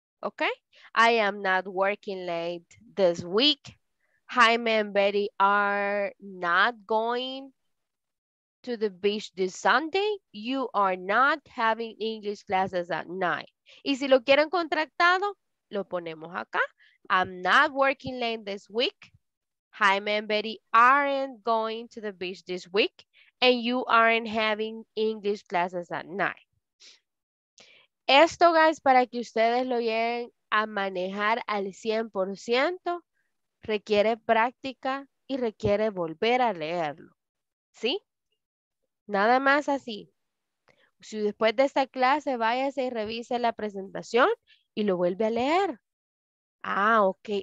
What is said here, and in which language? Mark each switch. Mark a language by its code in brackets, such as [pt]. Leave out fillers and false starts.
[en] Okay, I am not working late this week. Jaime and Betty are not going to the beach this Sunday. You are not having English classes at night. [es] Y si lo quieren contractado, lo ponemos acá. [en] I'm not working late this week. Jaime and Betty aren't going to the beach this week. And you aren't having English classes at night. [es] Esto, guys, para que ustedes lo lleguen a manejar al 100%, requiere práctica y requiere volver a leerlo, ¿sí? Nada más así. Si después de esta clase, váyase y revise la presentación y lo vuelve a leer. Ah, ok.